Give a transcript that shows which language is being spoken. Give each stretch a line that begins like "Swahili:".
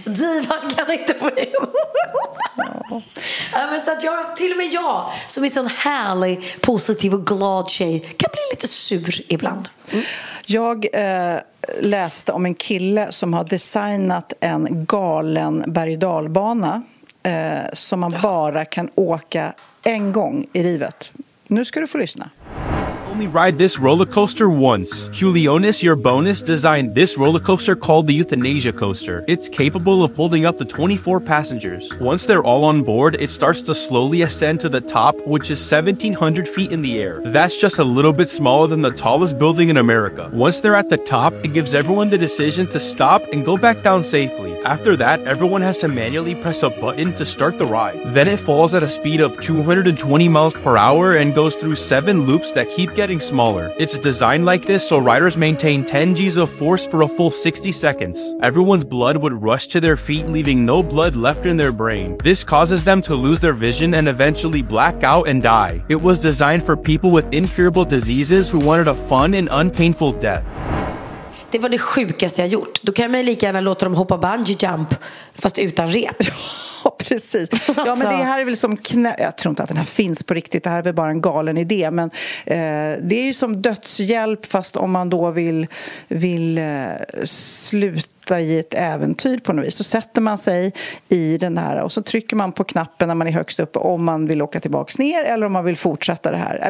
Swedish: Divan kan inte få igenom. Ja. Men så att jag, till och med jag, som är sån härlig, positiv och glad tjej, kan bli lite sur ibland. Mm. Jag läste om en kille som har designat en galen berg-dalbana som man bara kan åka en gång i livet. Nu ska du få lyssna.
English: Only ride this roller coaster once. Julionis, your bonus, designed this roller coaster called the Euthanasia Coaster. It's capable of holding up to 24 passengers. Once they're all on board, it starts to slowly ascend to the top, which is 1,700 feet in the air. That's just a little bit smaller than the tallest building in America. Once they're at the top, it gives everyone the decision to stop and go back down safely. After that, everyone has to manually press a button to start the ride. Then it falls at a speed of 220 miles per hour and goes through 7 loops that keep getting smaller. It's designed like this so riders maintain 10 G's of force for a full 60 seconds. Everyone's blood would rush to their feet, leaving no blood left in their brain. This causes them to lose their vision and eventually black out and die. It was designed for people with incurable diseases who wanted a fun and unpainful death.
Swedish: Det var det sjukaste jag gjort. Då kan man lika gärna låta dem hoppa bungee jump fast utan rep. Ja, precis. Ja, men det här är väl som jag tror inte att den här finns på riktigt. Det här är väl bara en galen idé, men det är ju som dödshjälp fast om man då vill sluta i ett äventyr på något vis. Så sätter man sig i den här och så trycker man på knappen när man är högst upp om man vill åka tillbaks ner eller om man vill fortsätta det här.